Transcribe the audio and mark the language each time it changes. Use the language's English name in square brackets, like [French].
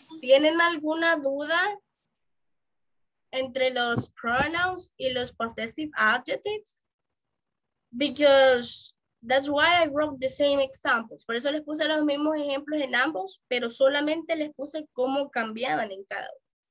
[Spanish] ¿Tienen alguna duda entre los pronouns y los possessive adjectives? [English] Because that's why I wrote the same examples. [Spanish] Por eso les puse los mismos ejemplos en ambos, pero solamente les puse cómo cambiaban en cada uno.